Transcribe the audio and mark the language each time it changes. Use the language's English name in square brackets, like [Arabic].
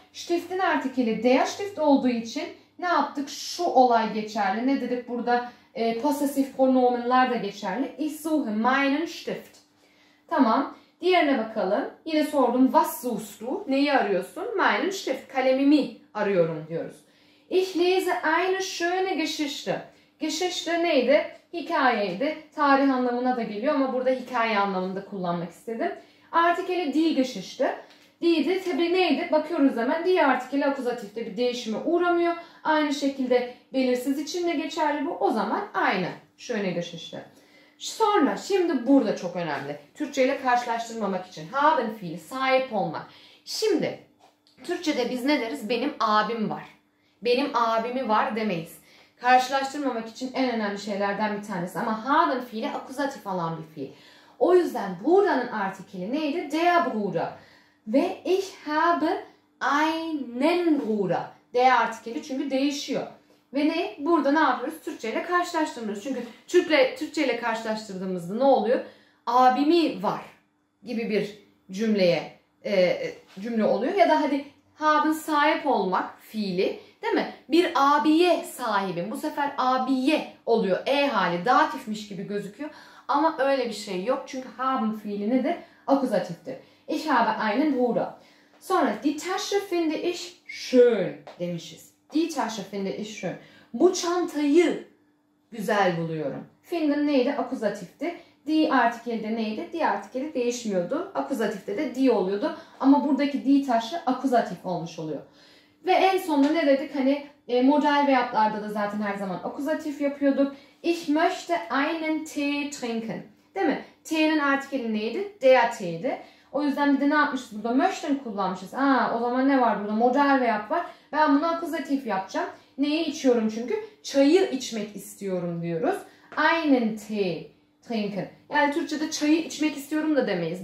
[Turkish] Stift'in artikeli der Stift olduğu için ne yaptık? Şu olay geçerli. Ne dedik burada? Possessif pronomenler de geçerli. [German] Ich suche meinen Stift. [Turkish] Tamam. Diğerine bakalım. Yine sordum. [German] Was suchst du? [Turkish] Neyi arıyorsun? [German] Meinen Stift. [Turkish] Kalemimi arıyorum diyoruz. [German] Ich lese eine schöne Geschichte. [Turkish] Geschichte neydi? Hikayeydi. Tarih anlamına da geliyor ama burada hikaye anlamında kullanmak istedim. Artikeli die Geschichte. Die de tabi neydi? Bakıyoruz hemen. Die artikeli akuzatifte bir değişime uğramıyor. Aynı şekilde belirsiz için de geçerli bu. O zaman aynı. [German] Schöne Geschichte. [Turkish] Sonra şimdi burada çok önemli. Türkçe ile karşılaştırmamak için. Haben fiili, sahip olmak. Şimdi Türkçe'de biz ne deriz? Benim abim var. Benim abimi var demeyiz. karşılaştırmamak için en önemli şeylerden bir tanesi. Ama haben fiili akuzatif olan bir fiil. O yüzden buranın artikeli neydi? [German] Der Bruder. Ve ich habe einen Bruder. [Turkish] Der artikeli çünkü değişiyor. Ve ne? Burada ne yapıyoruz? Türkçe ile karşılaştırmıyoruz. Çünkü Türkçe ile karşılaştırdığımızda ne oluyor? Abimi var gibi bir cümleye cümle oluyor. Ya da hadi haben sahip olmak fiili. Değil mi? Bir abiye sahibim. Bu sefer abiye oluyor. E hali datifmiş gibi gözüküyor. Ama öyle bir şey yok. Çünkü haben fiili nedir? Akuzatiftir. [German] Ich habe einen Bruder. [Turkish] Sonra [German] die Tasche finde ich schön [Turkish] demişiz. [German] Die Tasche finde ich schön. [Turkish] Bu çantayı güzel buluyorum. Finde neydi? Akuzatifti. Die artikeli de neydi? Die artikeli değişmiyordu. Akuzatifte de die oluyordu. Ama buradaki die Tasche akuzatif olmuş oluyor. Ve en sonunda ne dedik? Hani modal verb'larda da zaten her zaman akuzatif yapıyorduk. [German] Ich möchte einen Tee trinken. [Turkish] Değil mi? Tee'nin artikeli neydi? Der Tee'di. O yüzden bir de ne yapmışız burada? Möchten kullanmışız. Aa, o zaman ne var burada? Modal verb var. Ben bunu akuzatif yapacağım. Neyi içiyorum çünkü? Çayı içmek istiyorum diyoruz. [German] Einen Tee trinken. [Turkish] Yani Türkçe'de çayı içmek istiyorum da demeyiz.